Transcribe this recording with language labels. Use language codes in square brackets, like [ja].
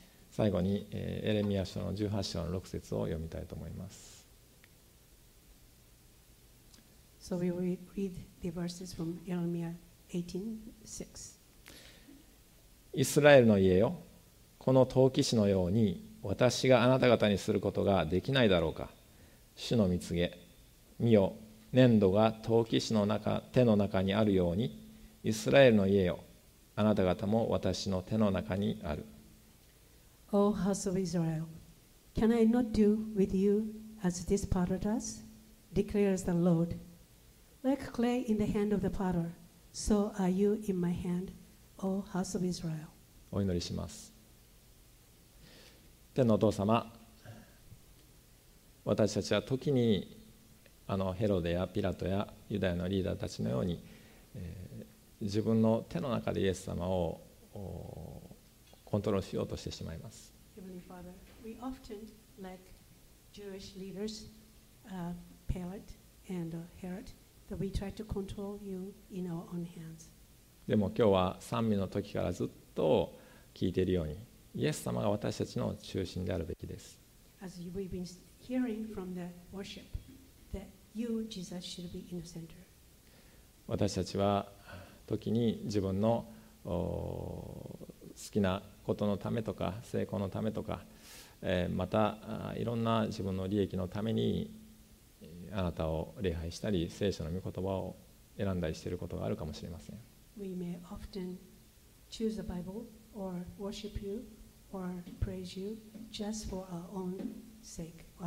[ja] 最後に、エレミア書の18章の6節を読みたいと思います。 [en] So we will read the verses from Jeremiah 18:6. [ja] イスラエルの家よ、この陶器師のように私があなた方にすることができないだろうか。主の御告げ、見よ、粘土が陶器師の中、手の中にあるように、イスラエルの家よ、あなた方も私の手の中にある。 [en] O house of Israel, can I not do with you as this potter does? declares the Lord. Like clay in the hand of the potter, so are you in my hand, O house of Israel. [ja] お祈りします。天のお父様、私たちは時にあのヘロデやピラトやユダヤのリーダーたちのように、自分の手の中でイエス様をコントロールしようとしてしまいます。 [en] Heavenly Father, we often like Jewish leaders, Pilate and Herod, that we try to control you in our own hands. [ja] でも今日は賛美の時からずっと聞いているように、イエス様が私たちの中心であるべきです。 [en] As we've been hearing from the worship that you, Jesus, should be in the center. [ja] 私たちは時に自分の好きなことのためとか成功のためとか、またいろんな自分の利益のためにあなたを礼拝したり聖書の御言葉を選んだりしていることがあるかもしれません。 [en] We may often choose the Bible or worship you or praise you just for our own sake.